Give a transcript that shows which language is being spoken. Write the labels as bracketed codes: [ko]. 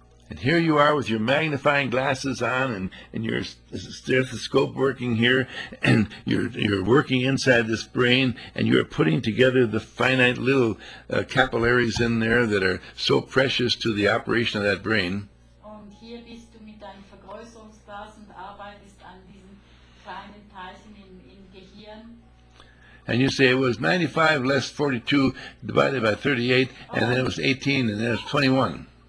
[en] And here you are with your magnifying glasses on and your stethoscope working here, and you're working inside this brain, and you're putting together the finite little capillaries in there that are so precious to the operation of that brain. [de] Und hier bist du mit deinem Vergrößerungsglas und arbeitest an diesen kleinen Teilchen im Gehirn. [en] And you say it was 95 less 42 divided by 38, and then it was 18, and then it was 21.